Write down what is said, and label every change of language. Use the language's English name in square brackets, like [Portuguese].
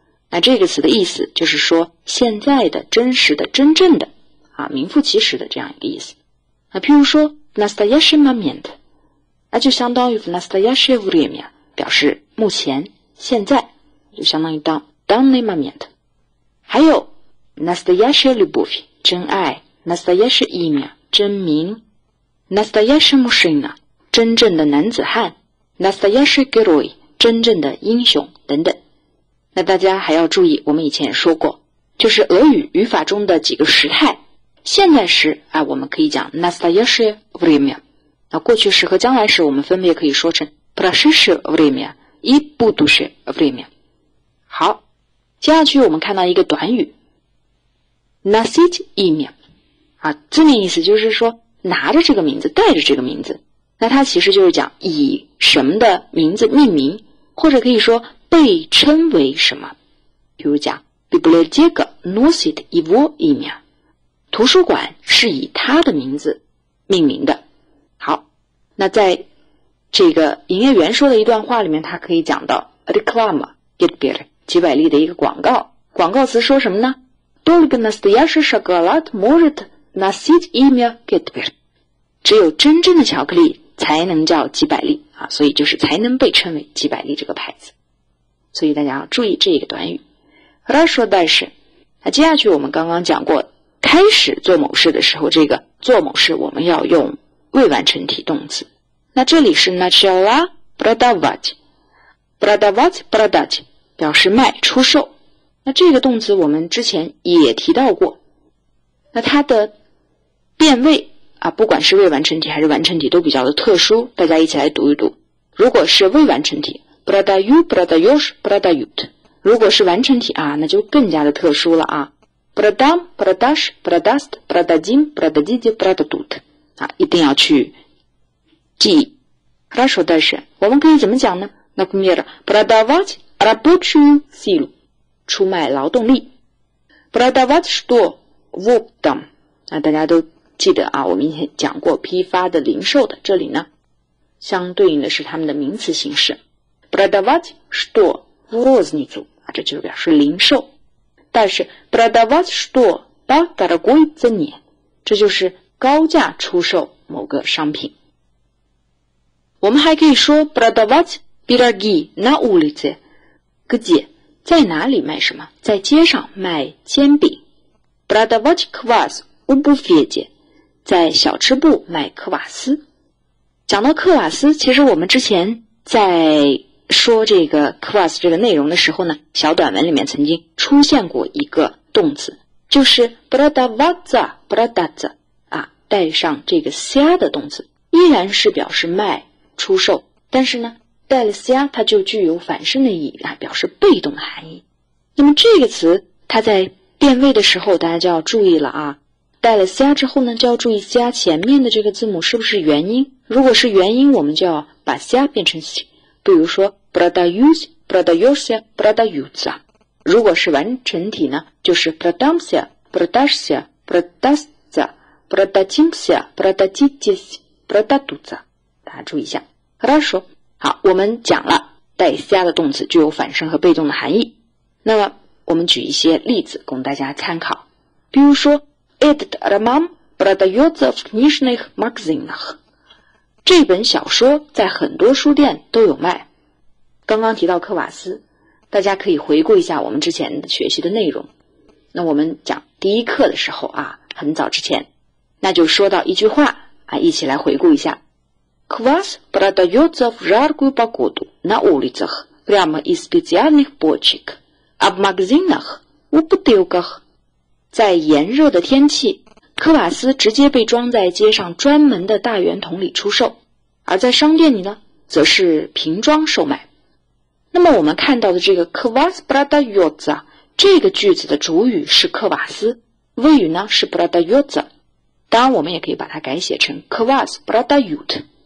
[Chinese] 那这个词的意思就是说现在的、真实的、真正的啊，名副其实的这样一个意思。那譬如说 [Russian] настоящий момент， [Chinese] 那就相当于 [Russian] настоящее время， [Chinese] 表示目前、现在，就相当于 [Russian] данный момент。 [Chinese] 还有 [Russian] Настоящая любовь， [Chinese] 真爱， [Russian] Настоящее имя， [Chinese] 真名， [Russian] Настоящая мужчина， [Chinese] 真正的男子汉， [Russian] Настоящий герой， [Chinese] 真正的英雄等等。那大家还要注意，我们以前也说过，就是俄语语法中的几个时态，现在时啊，我们可以讲 [Russian] Настоящее время， [Chinese] 那过去时和将来时我们分别可以说成 [Russian] Прошедшее время и будущее время。 [Chinese] 好，接下去我们看到一个短语 [Russian] носить имя， [Chinese] 啊，字面意思就是说拿着这个名字，带着这个名字。那它其实就是讲以什么的名字命名，或者可以说被称为什么。比如讲 [Russian] библиотека носит его имя， [Chinese] 图书馆是以他的名字命名的。好，那在这个营业员说的一段话里面，他可以讲到 [Russian] реклама， [Chinese] 几百例的一个广告，广告词说什么呢？ [Russian] Только настоящий шоколад может носить имя Гетберг， [Chinese] 只有真正的巧克力才能叫吉百利啊，所以就是才能被称为吉百利这个牌子。所以大家要注意这一个短语。 [Russian] Хорошо, дальше。 [Chinese] 那接下去我们刚刚讲过，开始做某事的时候，这个做某事我们要用未完成体动词。那这里是 [Russian] начала продавать， продавать продать [Chinese] 表示卖出售。那这个动词我们之前也提到过，那它的变位啊，不管是未完成体还是完成体都比较的特殊，大家一起来读一读。如果是未完成体 [Russian] продаю、 продаешь、 продают， [Chinese] 如果是完成体啊，那就更加的特殊了啊， [Russian] продам、 продаш、 продаст、 продадим、 продадите、 продадут [Chinese] 啊，一定要去记。 [Russian] Хорошо, дальше。 [Chinese] 我们可以怎么讲呢？ [Russian] например продавать рабочую силу， [Chinese] 出卖劳动力。 [Russian] продавать что в оптом， [Chinese] 那大家都记得啊，我们以前讲过批发的、零售的，这里呢相对应的是他们的名词形式 [Russian] продавать что в розницу， [Chinese] 啊，这就表示零售。但是 [Russian] продавать что по дорогой цене， [Chinese] 这就是高价出售某个商品。我们还可以说 [Russian] продавать пироги на улице， [Chinese] 个解在哪里卖什么？在街上卖煎饼。 [Russian] Продавать квас у буфете， [Chinese] 在小吃部卖克瓦斯。讲到克瓦斯，其实我们之前在说这个克瓦斯这个内容的时候呢，小短文里面曾经出现过一个动词，就是 [Russian] продаваться， продаться [Chinese] 啊，带上这个 ся 的动词，依然是表示卖、出售，但是呢带了 ся， 它就具有反身的意义，表示被动的含义。那么这个词它在变位的时候大家就要注意了啊，带了 ся 之后呢，就要注意 ся 前面的这个字母是不是元音，如果是元音我们就要把 ся 变成 си， 比如说 [Russian] продаюсь、 продаешься、 продаются， [Chinese] 如果是完成体呢，就是 [Russian] продамся、 продашься、 продастся、 продадимся、 продадитесь、 продадутся。 [Chinese] 注意一下。 [Russian] Хорошо. [Chinese] 好，我们讲了带虾的动词具有反身和被动的含义。那么我们举一些例子供大家参考。比如说 [Russian] Этот роман продается в книжных магазинах. [Chinese] 这本小说在很多书店都有卖。刚刚提到科瓦斯，大家可以回顾一下我们之前学习的内容。那我们讲第一课的时候啊，很早之前，那就说到一句话啊，一起来回顾一下。 [Russian] Квас продается в жаркую погоду на улицах прямо из специальных бочек, а в магазинах у бутылках. [Chinese] 在炎热的天气，科瓦斯直接被装在街上专门的大圆桶里出售，而在商店里呢，则是瓶装售卖。那么我们看到的这个 [Russian] Квас продается [Chinese] 这个句子的主语是科瓦斯，谓语呢是 [Russian] продается， [Chinese] 当然我们也可以把它改写成 [Russian] Квас продают。